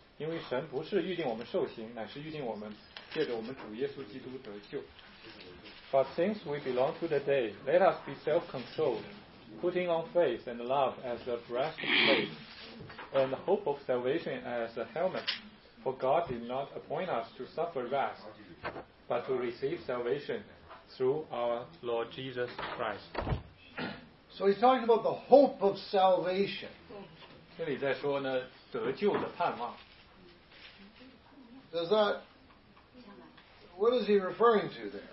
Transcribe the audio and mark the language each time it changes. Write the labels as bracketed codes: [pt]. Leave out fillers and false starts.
[zh] 因为神不是预定我们受刑，乃是预定我们借着我们主耶稣基督得救。 [en] But since we belong to the day, let us be self-controlled, putting on faith and love as a breastplate, and the hope of salvation as a helmet. For God did not appoint us to suffer wrath, but to receive salvation through our Lord Jesus Christ. So he's talking about the hope of salvation. [zh] 这里在说呢，得救的盼望。 [en] Does that, what is he referring to there?